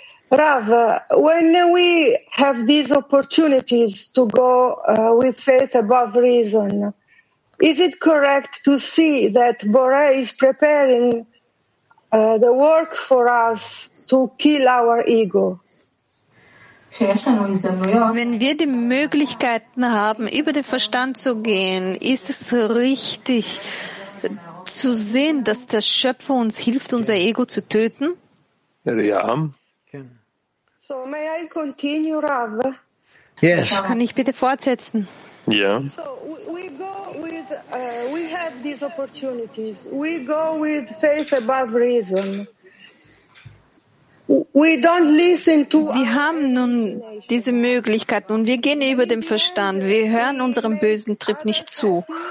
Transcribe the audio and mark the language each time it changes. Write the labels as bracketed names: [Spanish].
[English] Rav, when we have these opportunities to go with faith above reason, is it correct to see that Borei is preparing the work for us to kill our ego? [German] Wenn wir die Möglichkeiten haben, über den Verstand zu gehen, ist es richtig zu sehen, dass der Schöpfer uns hilft, unser Ego zu töten? Ja. [English] So, may I continue, Rav? Yes. [German] Kann ich bitte fortsetzen? Ja. [English] We have these opportunities. We go with faith above reason. We don't listen to. [German] Wir haben nun diese Möglichkeiten und wir gehen über den Verstand. Wir hören unserem bösen Trip nicht zu.